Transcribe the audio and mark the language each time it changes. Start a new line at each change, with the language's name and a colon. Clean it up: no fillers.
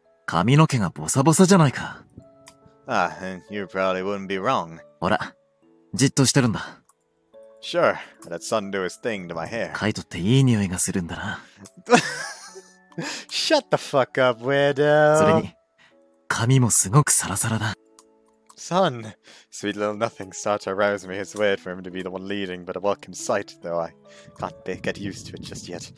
Japanese: 髪の毛がボサボサじゃないか。
English: Ah, you probably wouldn't be wrong.
Japanese: ほら、じっとしてるんだ。
English: Sure, let the sun do his thing to my hair.
Japanese: カイトっていい匂いがするんだな。
English: Shut the fuck up, weirdo!
Japanese: それに、髪もすごくサラサラだ。
English: Son, sweet little nothing start to arouse me. It's weird for him to be the one leading, but a welcome sight, though I can't get used to it just yet.